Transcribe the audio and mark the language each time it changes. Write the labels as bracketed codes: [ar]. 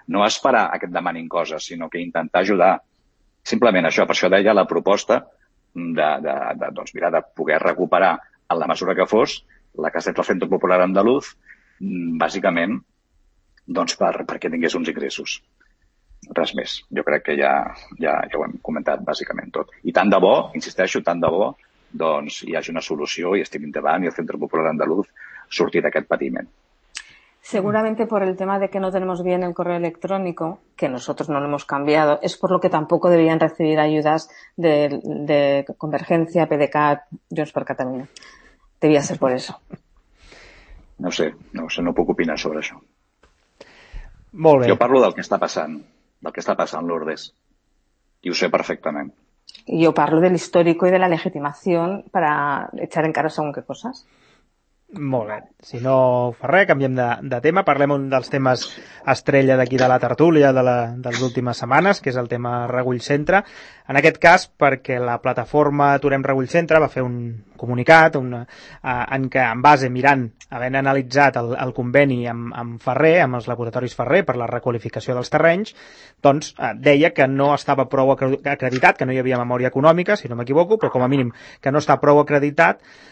[ca] No esperar a que et demanin coses, sinó que intentar ajudar. Simplement això, per això deia la proposta de poder recuperar en la mesura que fos la caseta del Centre Popular Andaluz, bàsicament, doncs perquè tingués uns ingressos. Res més. Jo crec que ja ho hem comentat bàsicament tot. I tant de bo, insisteixo, tant de bo, doncs hi hagi una solució i estiguin davant i el Centre Popular Andaluz sortir d'aquest patiment. [es] Seguramente por el tema de que no tenemos bien el correo electrónico, que nosotros no lo hemos cambiado, es por lo que tampoco debían recibir ayudas de Convergencia, PDeCAT, Junts per Catalunya. Debía ser por eso. [ca] No sé, no puc opinar sobre això. Molt bé. Jo parlo del que està passant, Lourdes, i ho sé perfectament. [es] Yo parlo del histórico y de la legitimación para echar en cara según qué cosas. [ca] Molt bé. Si no fa res, canviem de tema. Parlem un dels temes estrella d'aquí de la tertúlia de les últimes setmanes, que és el tema Regull Centre. En aquest cas, perquè la plataforma Aturem Regull Centre va fer un comunicat en què, en base, mirant, havent analitzat el conveni amb Ferrer, amb els laboratoris Ferrer, per la requalificació dels terrenys, doncs deia que no estava prou acreditat, que no hi havia memòria econòmica, si no m'equivoco, però com a mínim que no està prou acreditat